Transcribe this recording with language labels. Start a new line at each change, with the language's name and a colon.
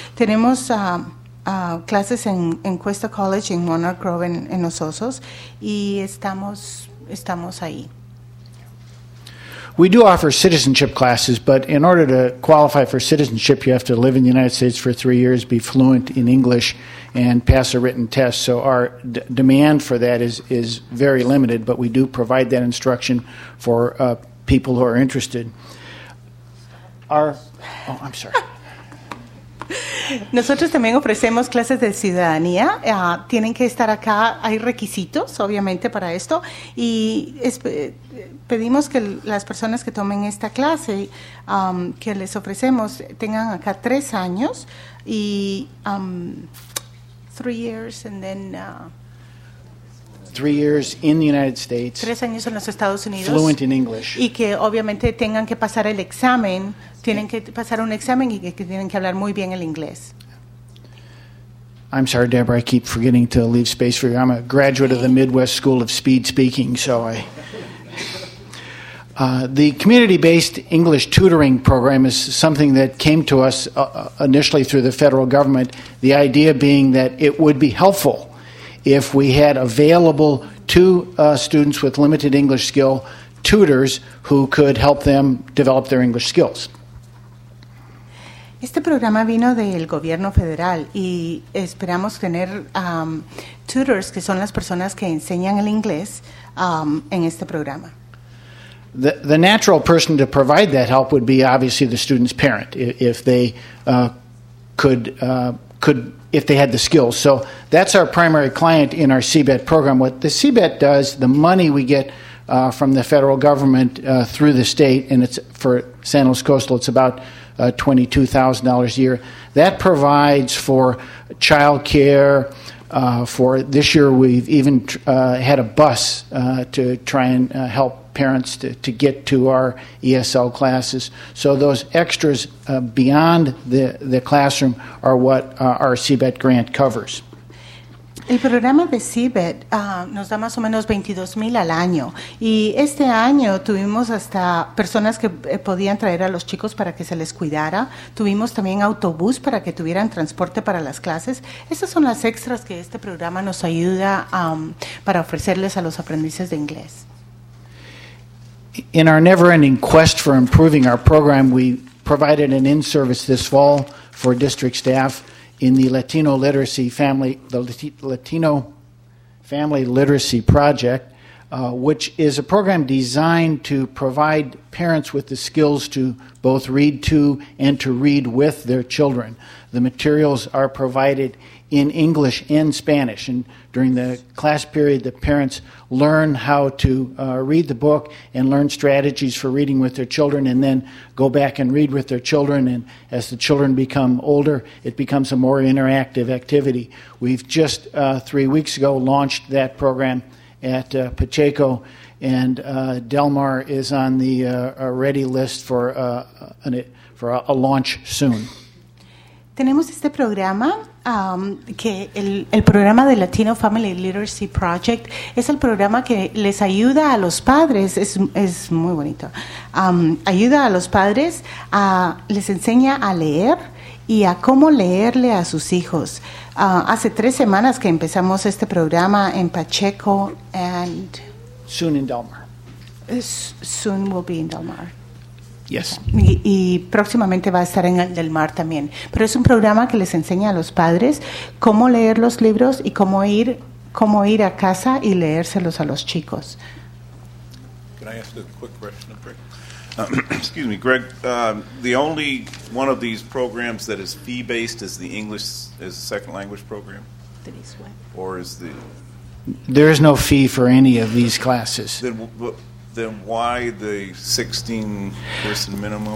Spanish: Tenemos clases en Cuesta College en Monarch Grove en Los Osos y estamos ahí.
English: We do offer citizenship classes, but in order to qualify for citizenship, you have to live in the United States for 3 years, be fluent in English, and pass a written test. So our demand for that is very limited, but we do provide that instruction for people who are interested.
Spanish: Nosotros también ofrecemos clases de ciudadanía. Tienen que estar acá. Hay requisitos, obviamente, para esto. Y pedimos que las personas que tomen esta clase que les ofrecemos tengan acá 3 años y
English: 3 years and then 3 years in the United States.
Spanish: 3 años en los Estados Unidos.
English: Fluent in English.
Spanish: Y que obviamente tengan que pasar el examen. Tienen que pasar un examen y que tienen que hablar muy bien el inglés.
English: I'm sorry, Deborah, I keep forgetting to leave space for you. I'm a graduate of the Midwest School of Speed Speaking, so I... the community-based English tutoring program is something that came to us initially through the federal government, the idea being that it would be helpful if we had available to students with limited English skill tutors who could help them develop their English skills.
Spanish: Este programa vino del gobierno federal y esperamos tener tutors, que son las personas que enseñan el inglés, en este programa.
English: The natural person to provide that help would be obviously the student's parent if they could if they had the skills. So that's our primary client in our CBET program. What the CBET does, the money we get from the federal government through the state, and it's for San Luis Coastal, it's about $22,000 a year. That provides for child care. For this year, we've even had a bus to try and help parents to get to our ESL classes. So those extras beyond the classroom are what our CBET grant covers.
Spanish: El programa de CBET nos da más o menos 22,000 al año. Y este año tuvimos hasta personas que podían traer a los chicos para que se les cuidara. Tuvimos también autobús para que tuvieran transporte para las clases. Esas son las extras que este programa nos ayuda para ofrecerles a los aprendices de inglés.
English: In our never-ending quest for improving our program, we provided an in-service this fall for district staff in the Latino Literacy Family, the Latino Family Literacy Project, which is a program designed to provide parents with the skills to both read to and to read with their children. The materials are provided in English and Spanish, and during the class period, the parents learn how to read the book and learn strategies for reading with their children, and then go back and read with their children, and as the children become older, it becomes a more interactive activity. We've just 3 weeks ago launched that program at Pacheco, and Del Mar is on the ready list for a launch soon.
Spanish: Tenemos este programa, que el programa de Latino Family Literacy Project es el programa que les ayuda a los padres, es muy bonito, ayuda a los padres, a les enseña a leer y a cómo leerle a sus hijos. Hace 3 semanas que empezamos este programa en Pacheco
English: and soon in Del Mar. Soon will be in Del Mar. Yes.
Spanish: Y próximamente va a estar en el Del Mar también. Pero es un programa que les enseña a los padres cómo leer los libros y cómo ir a casa y leérselos a los chicos.
English: Can I ask a quick question? Excuse me, Greg. The only one of these programs that is fee-based is the English as a second language program? Or is the... There is no fee for any of these classes. Then why the 16-person minimum?